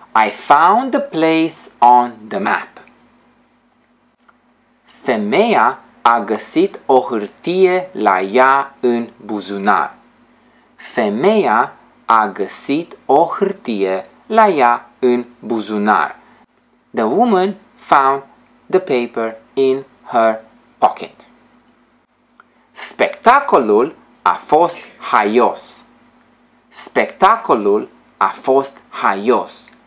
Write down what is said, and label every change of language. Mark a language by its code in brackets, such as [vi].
[en] I found the place on the map. [ro] Femeia a găsit o hârtie la ea în buzunar. Femeia a găsit o hârtie la ea în buzunar. [en] The woman found the paper in her pocket. [ro] Spectacolul a fost haios. Spectacolul a fost haios.